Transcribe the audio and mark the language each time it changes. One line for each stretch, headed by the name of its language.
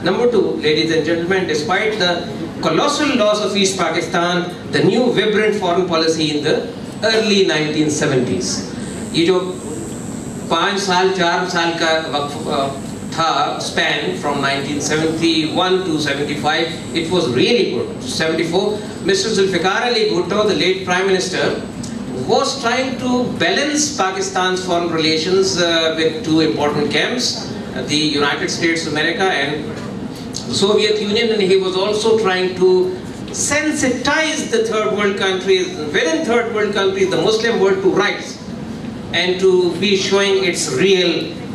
English: Number two, ladies and gentlemen, despite the colossal loss of East Pakistan, the new vibrant foreign policy in the early 1970s.
Hindi: ये जो पांच साल, चार साल का वक्त था
English: span from 1971 to 75, it was really good. 74, Mr. Zulfikar Ali Bhutto, the late Prime Minister, was trying to balance Pakistan's foreign relations with two important camps, the United States of America and the Soviet Union, and he was also trying to sensitize the third world countries, within third world countries, the Muslim world, to rights and to be showing its real